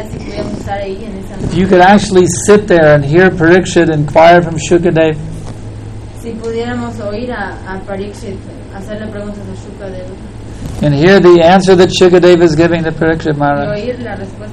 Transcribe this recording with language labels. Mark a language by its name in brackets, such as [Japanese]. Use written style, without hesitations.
[English] If you could actually sit there and hear Parikshit inquire from Shukadev. [Spanish] Si pudiéramos oír a Parikshit hacerle preguntas a Shukadev. [English] And hear the answer that Shukadev is giving to Parikshit Maharaj.